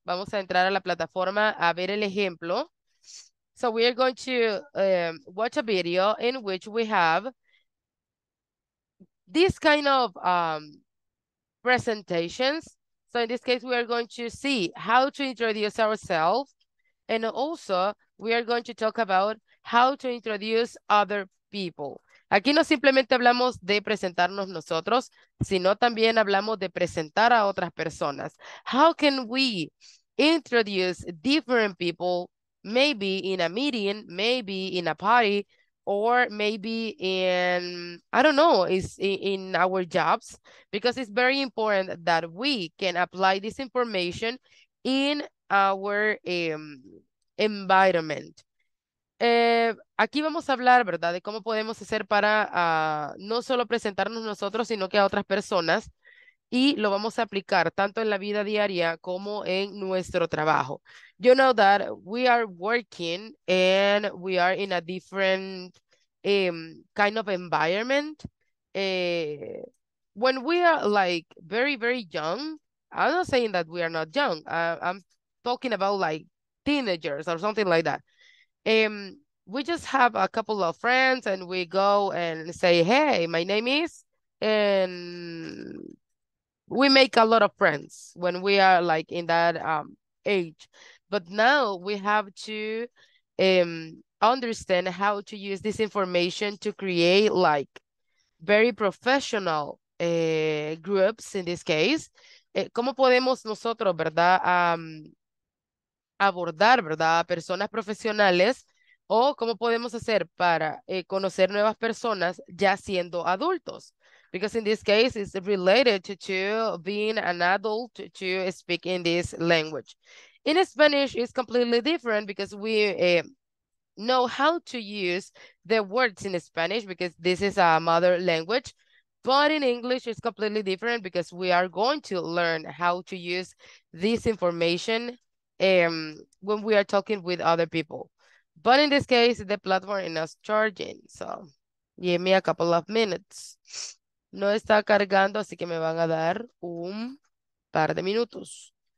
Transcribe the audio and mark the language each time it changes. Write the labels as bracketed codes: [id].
[es] Vamos a entrar a la plataforma a ver el ejemplo. [en] So we are going to watch a video in which we have this kind of presentations. So in this case, we are going to see how to introduce ourselves. And also, we are going to talk about how to introduce other people. [es] Aquí no simplemente hablamos de presentarnos nosotros, sino también hablamos de presentar a otras personas. [en] How can we introduce different people, maybe in a meeting, maybe in a party, or maybe in, I don't know, is in our jobs, because it's very important that we can apply this information in our environment. [es] Aquí vamos a hablar, ¿verdad?, de cómo podemos hacer para no solo presentarnos nosotros, sino que a otras personas, y lo vamos a aplicar tanto en la vida diaria como en nuestro trabajo. [en] You know that we are working and we are in a different kind of environment. When we are like very, very young, I'm not saying that we are not young. I'm talking about like teenagers or something like that. We just have a couple of friends and we go and say, hey, my name is, and we make a lot of friends when we are like in that age. But now we have to understand how to use this information to create like very professional groups in this case. [es] ¿Cómo podemos nosotros, verdad, abordar, verdad, a personas profesionales? ¿O cómo podemos hacer para conocer nuevas personas ya siendo adultos? [en] Because in this case, it's related to being an adult to speak in this language. In Spanish, it's completely different because we know how to use the words in Spanish because this is a mother language. But in English, it's completely different because we are going to learn how to use this information when we are talking with other people. But in this case, the platform is not charging. So give me a couple of minutes. [es] No está cargando, así que me van a dar un par de minutos.